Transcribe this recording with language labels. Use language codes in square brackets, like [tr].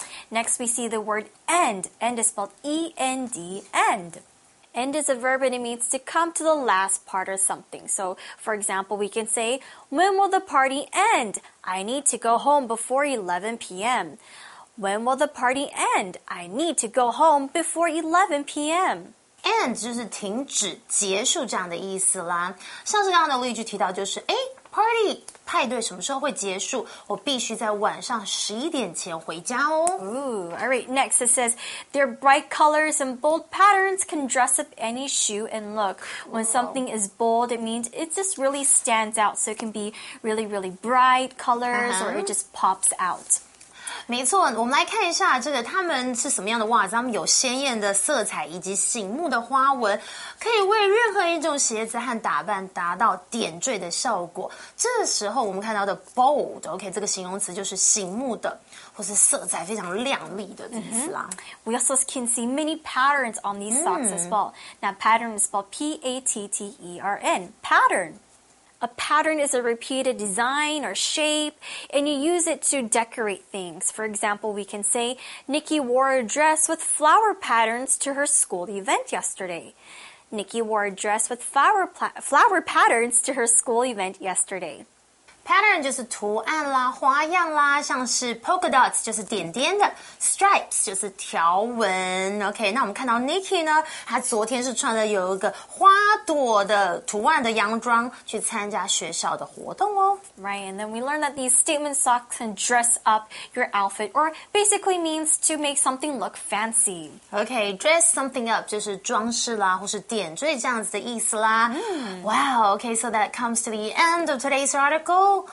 [en] Next we see the word end is spelled E-N-D end is a verb and it means to come to the last part of something so for example we can say when will the party end I need to go home before 11 p.m. When will the party end? I need to go home before 11 p.m. [zh] End 就是停止、结束这样的意思啦。像是刚刚的例句提到，就是哎 ，party 派对什么时候会结束？我必须在晚上11点前回家哦。 [en] Ooh, all right. Next, it says their bright colors and bold patterns can dress up any shoe and look. When something is bold, it means it just really stands out. So it can be really, really bright colors, or it just pops out. [zh] 没错，我们来看一下这个他们是什么样的袜子，他们有鲜艳的色彩以及醒目的花纹，可以为任何一种鞋子和打扮达到点缀的效果。这时候我们看到的 bold, OK, 这个形容词就是醒目的，或是色彩非常亮丽的意思啦。 [en] We also can see many patterns on these socks as well. Now, pattern is spelled P-A-T-T-E-R-N, pattern. A pattern is a repeated design or shape, and you use it to decorate things. For example, we can say, Nikki wore a dress with flower patterns to her school event yesterday. Nikki wore a dress with flower patterns to her school event yesterday. [zh] Pattern 就是图案啦，花样啦，像是 polka dots 就是点点的， stripes 就是条纹。 OK， 那我们看到 Nikki 呢，她昨天是穿了有一个花朵的图案的洋装去参加学校的活动哦。 [en] Right, and then we learn that these statement socks can dress up your outfit, or basically means to make something look fancy. [zh] OK, dress something up 就是装饰啦，或是点缀这样子的意思啦。 [en] Wow, OK, so that comes to the end of today's article.